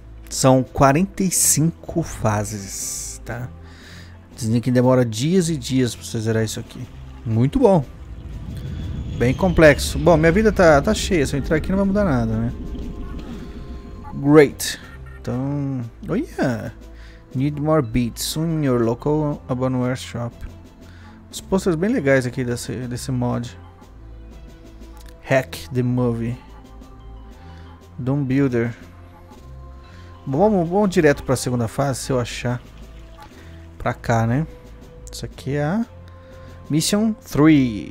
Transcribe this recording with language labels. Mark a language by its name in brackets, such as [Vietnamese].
[Portuguese] São 45 fases, tá? Dizem que demora dias e dias pra você zerar isso aqui. Muito bom. Bem complexo. Bom, minha vida tá cheia. Se eu entrar aqui não vai mudar nada, né? [English] Great. Então... Oh, yeah. Need more beats in your local abandonware shop. [Portuguese] Os posters bem legais aqui desse mod. Hack the movie. Doom Builder. Bom, vamos direto pra segunda fase, se eu achar. Pra cá, né? Isso aqui é a Mission 3.